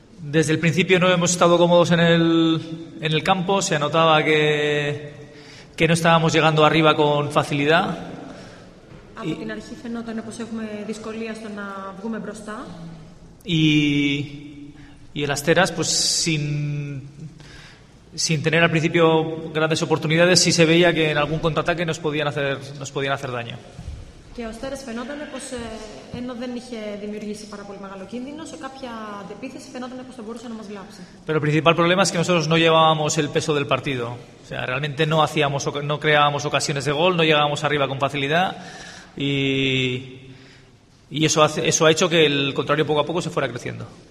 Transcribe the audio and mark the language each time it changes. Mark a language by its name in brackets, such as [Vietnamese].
[Spanish] Desde el principio no hemos estado cómodos en el campo, se notaba que no estábamos llegando arriba con facilidad. [Greek] Από την αρχή φαινόταν πως έχουμε δυσκολία στο να βγούμε μπροστά. [Spanish] Y el Asteras, pues sin tener al principio grandes oportunidades, sí se veía que en algún contraataque nos podían hacer daño. [Greek] Και ο Αστέρας φαινόταν πως ενώ δεν είχε δημιουργήσει πάρα πολύ μεγάλο κίνδυνο, σε κάποια αντεπίθεση φαινόταν πως θα μπορούσε να μας βλάψει. [Spanish] Pero el principal problema es que nosotros no llevábamos el peso del partido. O sea, realmente no creábamos ocasiones de gol, no llegábamos arriba con facilidad y eso ha hecho que el contrario poco a poco se fuera creciendo.